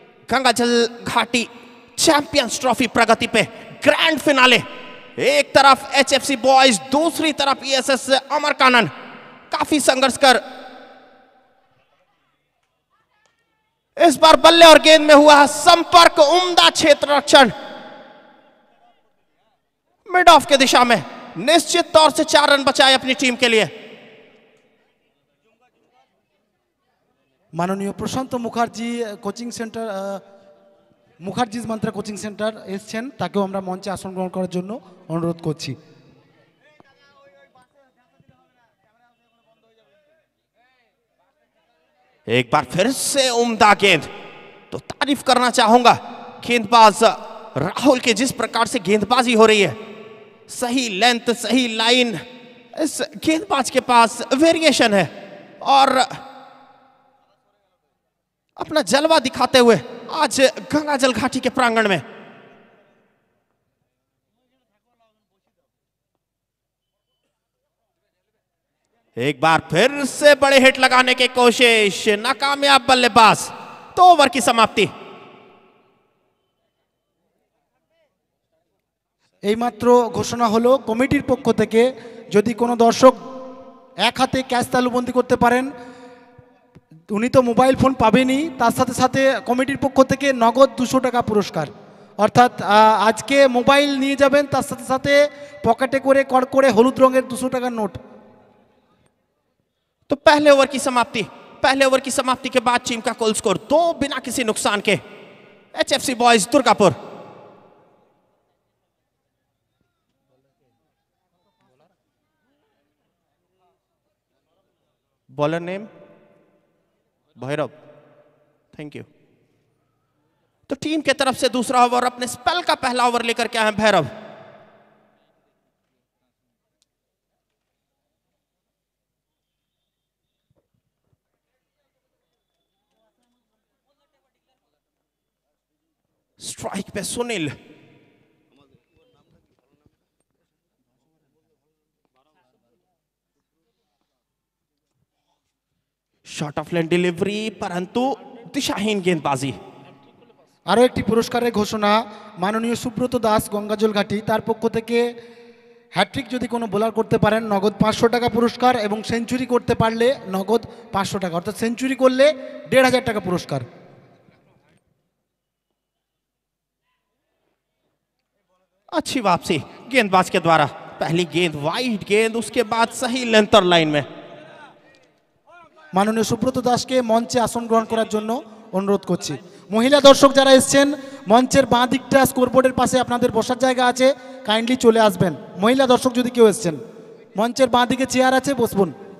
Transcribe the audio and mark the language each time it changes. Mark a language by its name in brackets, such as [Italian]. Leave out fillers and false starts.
[Hindi] गंगाजल घाटी champions trophy प्रगति पे ग्रैंड फिनाले, एक तरफ HFC बॉयज दूसरी तरफ ESS अमरकानन, काफी संघर्ष कर इस बार बल्ले और गेंद में हुआ है संपर्क, उम्दा क्षेत्र रक्षण, मिड ऑफ के दिशा में निश्चित तौर से 4 रन बचाए अपनी टीम के लिए। [Bangla] माननीय प्रशांत मुखर्जी कोचिंग सेंटर मुखर्जी मंत्रा कोचिंग सेंटर এসেছেন, তাকেও আমরা মঞ্চে আসন গ্রহণ করার জন্য অনুরোধ করছি। [Hindi] एक बार फिर से उम्दा गेंद, तो तारीफ करना चाहूंगा गेंदबाज राहुल के, जिस प्रकार से गेंदबाजी हो रही है, सही लेंथ सही लाइन, इस गेंदबाज के पास वेरिएशन है और अपना जलवा दिखाते हुए आज गंगाजल घाटी के प्रांगण में। एक बार फिर से बड़े हिट लगाने की कोशिश, नाकामयाब बल्लेबाज, तो ओवर की समाप्ति। [Bangla] এইমাত্র ঘোষণা হলো কমিটির পক্ষ থেকে, যদি কোনো দর্শক এক হাতে ক্যাচ তালুবন্দী করতে পারেন, উনি তো মোবাইল ফোন পাবেনই, তার সাথে সাথে কমিটির পক্ষ থেকে নগদ 200 টাকা পুরস্কার। অর্থাৎ আজকে মোবাইল নিয়ে যাবেন, তার সাথে সাথে পকেটে করে কড়কড়ে হলুদ রঙের 200 টাকার নোট। [Hindi] तो पहले ओवर की समाप्ति, पहले ओवर की समाप्ति के बाद टीम का कुल स्कोर 2 बिना किसी नुकसान के, HFC boys Durgapur. Bowler name Bhairav, thank you. तो टीम के तरफ से दूसरा ओवर, अपने स्पेल का पहला ओवर लेकर क्या है भैरव। स्ट्राइक पे Sunil, short of lane delivery, परंतु दिशाहीन गेंदबाजी। [Bangla] আরো একটি পুরস্কারের ঘোষণা, মাননীয় সুব্রত দাস গঙ্গাজল ঘাটি, তার পক্ষ থেকে হ্যাট্রিক যদি কোনো বোলার করতে পারেন নগদ 500 টাকা পুরস্কার, এবং সেঞ্চুরি করতে পারলে নগদ 500 টাকা, অর্থাৎ সেঞ্চুরি করলে 1,500 টাকা পুরস্কার। [Hindi] अच्छी वापसी गेंदबाज के द्वारा, पहली गेंद वाइड गेंद, उसके बाद सही लेंथ और लाइन में। [Bangla] माननीय সুব্রত দাস के মঞ্চে আসন গ্রহণ করার জন্য অনুরোধ করছি। মহিলা দর্শক যারা এসেছেন, মঞ্চের বাঁ দিকটা স্কোরবোর্ডের পাশে আপনাদের বসার জায়গা আছে, কাইন্ডলি চলে আসবেন। মহিলা দর্শক যদি কেউ এসেছেন, মঞ্চের বাঁ দিকে চেয়ার আছে, বসবেন।